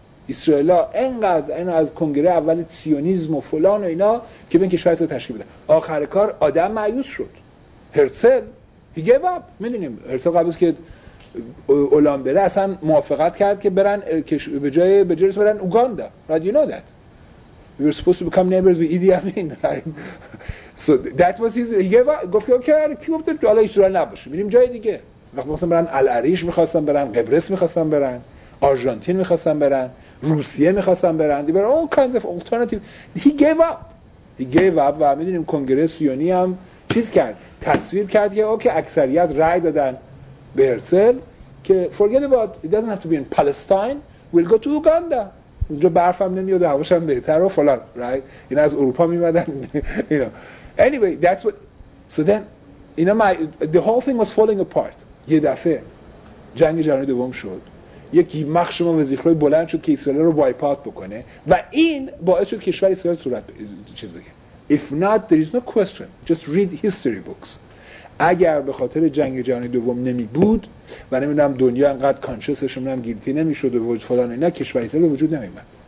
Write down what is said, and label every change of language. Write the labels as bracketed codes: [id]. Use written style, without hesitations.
[fa] اسرائیل ها اینقدر این از کنگره اول سیونیزم و فلان و اینا که به این کشور اسرائیل تشکیل بده، آخر کار آدم مایوس شد. هرتسل [en] He gave up. [fa] میدونیم هرتسل قبل از که اولان بره اصلا موافقت کرد که برن به جای بجرس برن اوگاندا. [en] Right, you know that we were supposed to become neighbors with Idi Amin. So that was his. He gave up. [fa] گفت که کی گفت تو حالا اسرائیل نباشه میریم جای دیگه. وقتی مثلا برن العریش میخواستن برن، قبرس میخواستن برن، آرژانتین میخواستن برن، روسیه میخواستن برن، دی برن [en] all kinds of alternative. He gave up [fa] و میدونیم کنگره سیونی هم چیز کرد، تصویر کرد که اوکی اکثریت رای دادن به هرتسل که [en] forget about it, doesn't have to be in Palestine, we'll go to Uganda. [fa] اونجا برف هم نمیاد و هواش هم بهتر و فلان، right؟ اینا از اروپا میمدن you know. [en] Anyway, that's what. So then you know, the whole thing was falling apart. [fa] یه دفعه جنگ جهانی دوم شد، یکی مخش ما وزیخ روی بلند شد که اسرائیل رو وایپ اوت بکنه و این باعث شد کشور اسرائیل صورت چیز بگه. [en] If not there is no question, just read history books. [fa] اگر به خاطر جنگ جهانی دوم نمی بود و نمیدونم دنیا انقدر کانشسش نمیدونم گیلتی نمی شد و فلان اینا، کشور اسرائیل وجود نمی اومد.